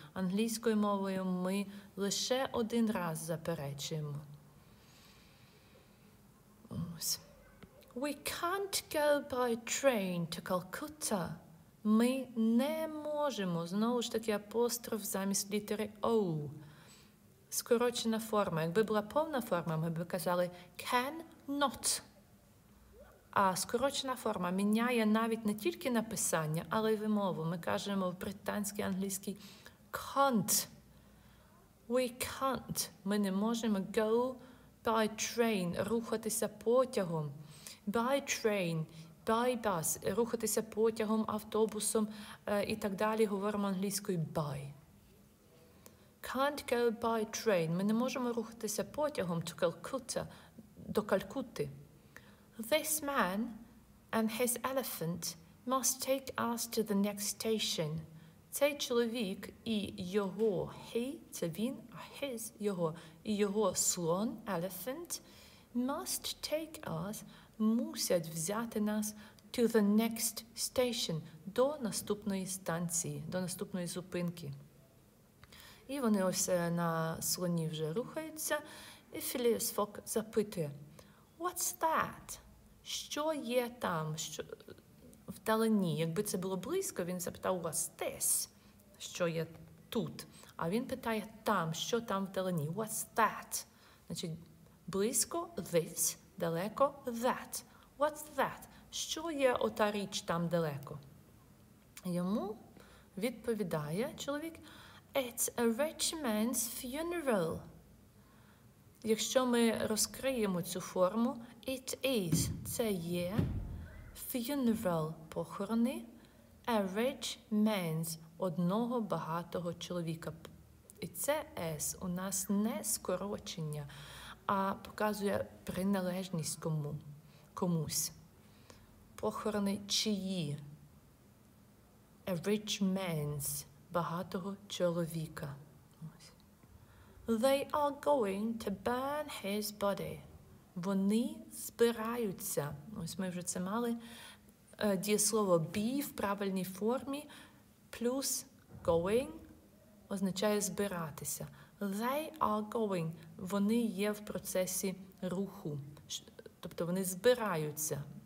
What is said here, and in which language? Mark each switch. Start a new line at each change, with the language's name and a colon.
Ukrainian: Англійською мовою ми лише один раз заперечуємо.
English: We can't go by train to Calcutta.
Ukrainian: Ми не можемо. Знову ж таки, апостроф замість літери O. Скорочена форма. Якби була повна форма, ми б казали
English: can not.
Ukrainian: А скорочена форма міняє навіть не тільки написання, але й вимову. Ми кажемо в британській, англійській can't.
English: We can't.
Ukrainian: Ми не можемо
English: go by train,
Ukrainian: рухатися потягом.
English: By train, by bus,
Ukrainian: рухатися потягом, автобусом і так далі, говоримо англійською by.
English: Can't go by train.
Ukrainian: Ми не можемо рухатися потягом
English: to Calcutta,
Ukrainian: до Калькутти.
English: This man and his elephant must take us to the next station.
Ukrainian: Цей чоловік і його he, це він, his, його, і його слон, elephant,
English: must take us,
Ukrainian: мусять взяти нас
English: to the next station,
Ukrainian: до наступної станції, до наступної зупинки. І вони ось на слоні вже рухаються, і Філіас Фок запитує,
English: what's that?
Ukrainian: Що є там? Що... Вдалині. Якби це було близько, він запитав,
English: what's this?
Ukrainian: Що є тут? А він питає там, що там вдалині?
English: What's that?
Ukrainian: Значить, близько, this, далеко, that.
English: What's that?
Ukrainian: Що є ота річ там далеко? Йому відповідає чоловік,
English: it's a rich man's funeral.
Ukrainian: Якщо ми розкриємо цю форму,
English: it is,
Ukrainian: це є, funeral, похорони,
English: a rich man's,
Ukrainian: одного багатого чоловіка. І це s у нас не скорочення, а показує приналежність комусь. Похорони чиї?
English: A rich man's,
Ukrainian: багатого чоловіка.
English: They are going to burn his body.
Ukrainian: Вони збираються. Ось ми вже це мали. Дієслово be в правильній формі плюс going означає збиратися.
English: They are going.
Ukrainian: Вони є в процесі руху. Тобто вони збираються.